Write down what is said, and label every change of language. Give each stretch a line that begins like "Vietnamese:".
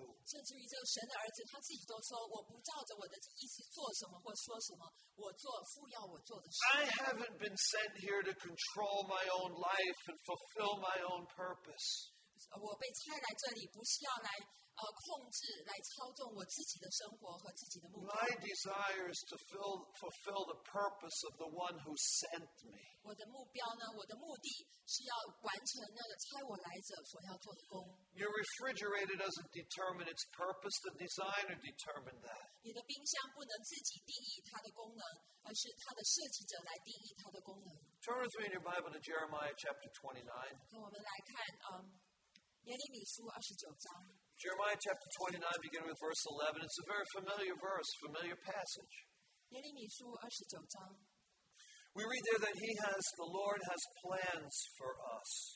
English: I haven't been sent here to control my own life and fulfill my own purpose. My desire is to fulfill the purpose of the one who sent me.
Chinese: 我的目标呢, 我的目的是要完成那个差我来者所要做的工。
English: Your refrigerator doesn't determine its purpose, the designer determined that.
Chinese: 你的冰箱不能自己定义它的功能, 而是它的设计者来定义它的功能。
English: Turn with me in your Bible to Jeremiah chapter 29.
Chinese: 我们来看,
English: Jeremiah chapter 29, beginning with verse 11. It's a very familiar verse, familiar passage. We read there that the Lord has plans for us.